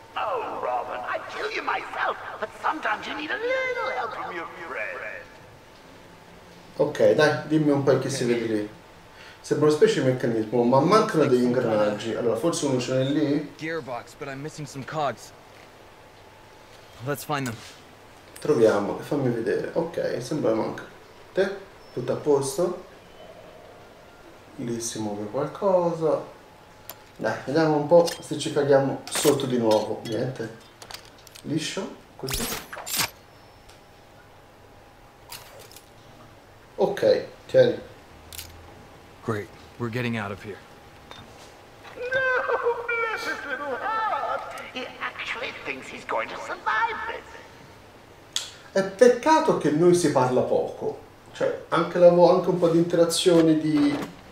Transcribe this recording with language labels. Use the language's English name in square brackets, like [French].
[English] Oh, Robin, I kill you myself, but sometimes you need a little help from your friend. [Italian] Ok, dai, dimmi un po' che si vede lì. Sembra una specie di meccanismo, ma mancano degli ingranaggi. Allora, forse uno ce l'è lì? [English] Gearbox, but I'm missing some cogs. Let's find them. [Italian] Troviamo, fammi vedere. Ok, sembra manca. Te? Tutto a posto? Lì si muove qualcosa. Dai, vediamo un po' se ci caghiamo sotto di nuovo. Niente. Liscio, così. Ok, tieni. [English] Great, we're getting out of here. No, bless his little heart! He actually thinks he's going to survive this. [Italian] È peccato che noi si parla poco. Cioè, anche la anche un po' di interazione di.